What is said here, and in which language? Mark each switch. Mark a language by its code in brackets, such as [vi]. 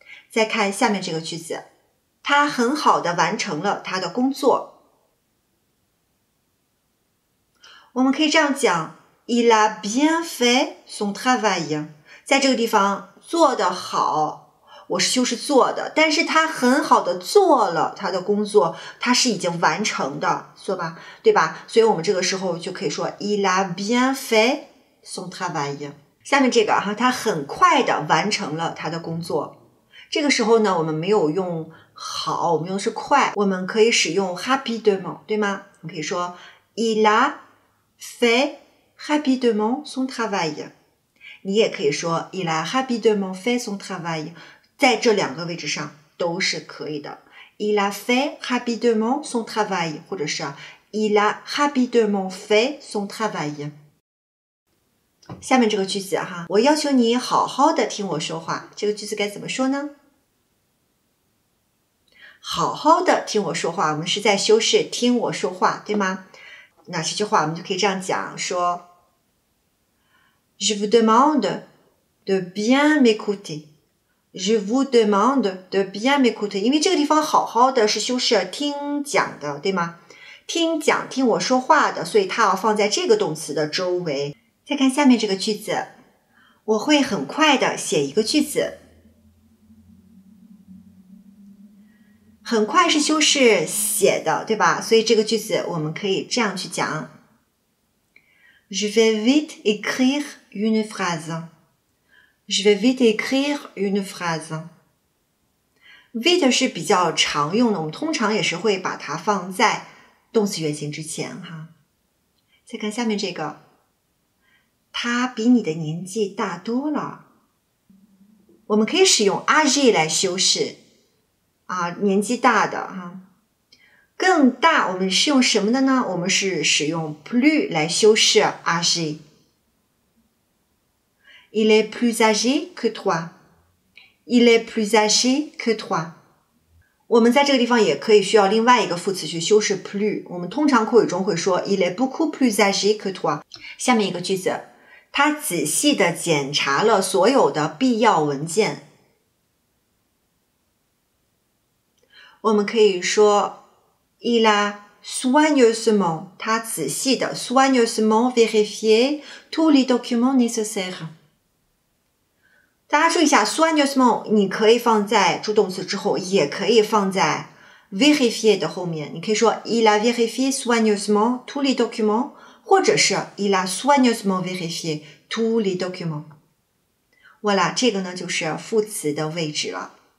[zh] 再看下面这个句子，他很好的完成了他的工作，我们可以这样讲 [fr] Il a bien fait son travail， [zh] 在这个地方做得好，我是修饰做的，但是他很好的做了他的工作，他是已经完成的，说吧，对吧？所以我们这个时候就可以说 [fr] Il a bien fait son travail。 [zh] 下面这个哈，他很快的完成了他的工作，这个时候呢我们没有用好，我们用的是快，我们可以使用 rapidement， 对吗？你可以说 [fr] Il a fait rapidement son travail， [zh] 你也可以说 [fr] Il a rapidement fait son travail， [zh] 在这两个位置上都是可以的。 [fr] Il a fait rapidement son travail， [zh] 或者是 [fr] Il a rapidement fait son travail。 [zh] 下面这个句子哈，我要求你好好的听我说话，这个句子该怎么说呢？好好的听我说话，我们是在修饰听我说话，对吗？那这句话我们就可以这样讲，说 [fr] Je vous demande de bien m'écouter。 Je vous demande de bien m'écouter， [zh] 因为这个地方好好的是修饰听讲的，对吗？听讲，听我说话的，所以它要放在这个动词的周围。再看下面这个句子，我会很快的写一个句子。很快是修饰写的，对吧？所以这个句子我们可以这样去讲 [fr] Je vais vite écrire une phrase。 Je vais vite écrire une phrase。 [zh] Vite 是比较常用的，我们通常也是会把它放在动词原形之前哈。再看下面这个，他比你的年纪大多了，我们可以使用 âgé 来修饰啊，年纪大的哈。更大我们是用什么的呢？我们是使用 plus 来修饰 âgéIl [fr] est plus âgé que toi. Il est plus âgé que toi. [zh] 我们在这个地方也可以需要另外一个副词去修饰 plus。我们通常口语中会说 [fr] Il est beaucoup plus âgé que toi. [zh] 下面一个句子，他仔细地检查了所有的必要文件。我们可以说 [fr] Il a soigneusement, [zh] 他仔细地 [fr] soigneusement vérifié tous les documents nécessaires. [zh] 大家注意一下 soigneusement， 你可以放在助动词之后，也可以放在 vérifier 的后面。 [fr] 你可以说 il a vérifié soigneusement tous les documents， [zh] 或者是 [fr] il a soigneusement vérifié tous les documents。 voilà， [zh] 这个呢就是副词的位置了。